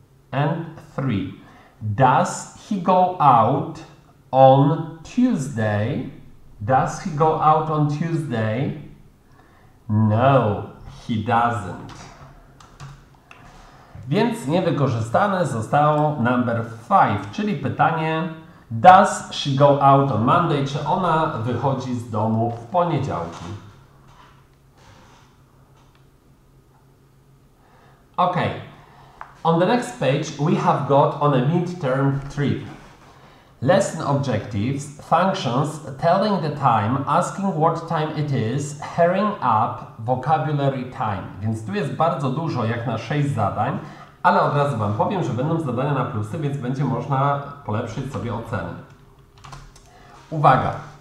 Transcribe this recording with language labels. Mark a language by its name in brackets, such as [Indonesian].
[English] And three. Does he go out on Tuesday? Does he go out on Tuesday? No, he doesn't. [Polish] Więc niewykorzystane zostało [English] number five, [Polish] czyli pytanie: [English] Does she go out on Monday? [Polish] Czy ona wychodzi z domu w poniedziałki? Ok. [English] On the next page we have got on a midterm trip. Lesson objectives, functions, telling the time, asking what time it is, hurrying up, vocabulary time. [Polish] Więc tu jest bardzo dużo jak na 6 zadań, ale od razu Wam powiem, że będą zadania na plusy, więc będzie można polepszyć sobie oceny. Uwaga!